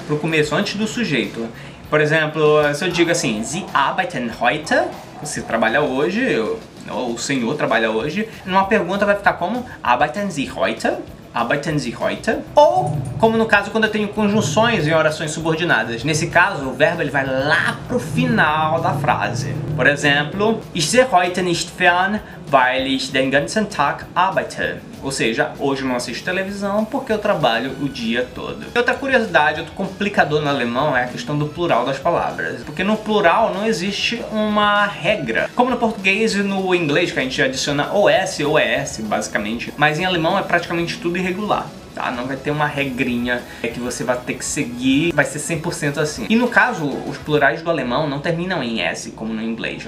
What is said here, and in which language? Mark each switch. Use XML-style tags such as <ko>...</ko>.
<pt>Pro começo, antes do sujeito. Por exemplo, se eu digo assim,</pt> <de>Sie arbeiten heute,</de> <pt>você trabalha hoje, ou o senhor trabalha hoje, numa pergunta vai ficar como</pt> <de>arbeiten Sie heute, arbeiten Sie heute,</de> <pt>ou como no caso quando eu tenho conjunções em orações subordinadas. Nesse caso, o verbo ele vai lá pro final da frase. Por exemplo,</pt> <de>Ich sehe heute nicht fern, weil ich den ganzen Tag arbeite.</de> <pt>Ou seja, hoje eu não assisto televisão porque eu trabalho o dia todo. E outra curiosidade, outro complicador no alemão é a questão do plural das palavras. Porque no plural não existe uma regra. Como no português e no inglês, que a gente adiciona OS ou ES, basicamente. Mas em alemão é praticamente tudo irregular. Tá? Não vai ter uma regrinha que você vai ter que seguir, vai ser 100% assim. E no caso, os plurais do alemão não terminam em S, como no inglês.</pt>